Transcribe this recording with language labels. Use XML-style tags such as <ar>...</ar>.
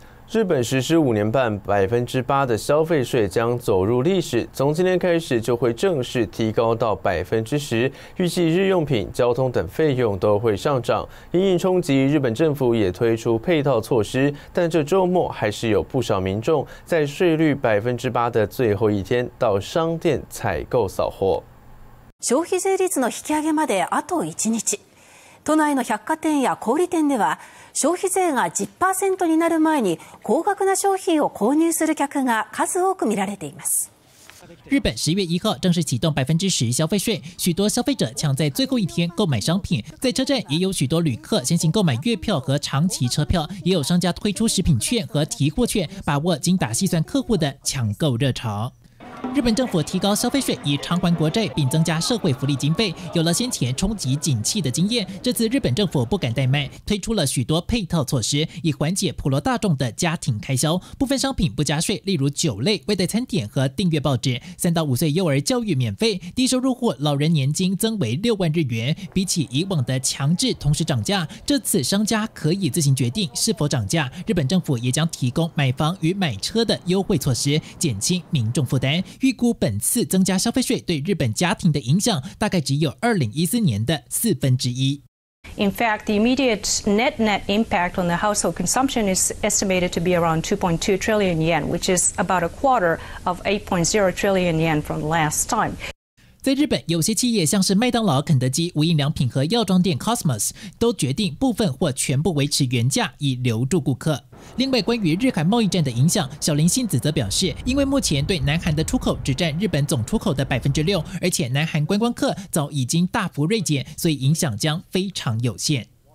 <zh>日本实施5年半8%的消费税将走入历史，从今天开始就会正式提高到10%，预计日用品、交通等费用都会上涨。因应冲击，日本政府也推出配套措施，但这周末还是有不少民众在税率8%的最后一天到商店采购扫货。</zh> <ja>消费税率の引き上げまであと1日。都内の百貨店や小売店では、消費税が 10% になる前に高額な商品を購入する客が数多く見られています。</ja> <zh>日本11号正式启动10%消费税，许多消费者抢在最后一天购买商品，在车站也有许多旅客先行购买月票和长期车票，也有商家推出食品券和提货券，把握精打细算客户的抢购热潮。日本政府提高消费税以偿还国债，并增加社会福利经费，有了先前冲击景气的经验，这次日本政府不敢怠慢，推出了许多配套措施，以缓解普罗大众的家庭开销。部分商品不加税，例如酒类、外带餐点和订阅报纸，3到5岁幼儿教育免费，低收入户老人年金增为60,000日元，比起以往的强制同时涨价，这次商家可以自行决定是否涨价。日本政府也将提供买房与买车的优惠措施，减轻民众负担。预估本次增加消费税对日本家庭的影响大概只有2014年的1/4。</zh> <en>In fact, the immediate net impact on the household consumption is estimated to be around 2.2 trillion yen, which is about a quarter of 8.0 trillion yen from last time.</en> <zh>在日本，有些企业像是麦当劳、肯德基、无印良品和药妆店 Cosmos 都决定部分或全部维持原价，以留住顾客。另外，关于日韩贸易战的影响，小林信子则表示，因为目前对南韩的出口只占日本总出口的6%，而且南韩观光客早已经大幅锐减，所以影响将非常有限。</zh>